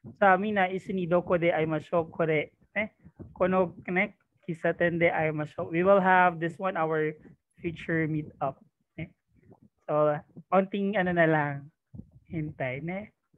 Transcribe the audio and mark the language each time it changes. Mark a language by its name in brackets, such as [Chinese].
[Japanese] さあみんな一緒にどこで会いましょう。これね。このね喫茶店で会いましょう。 [English] We will have this one our future meet up. [Japanese] ね。そう。本当にあのなら変態ね。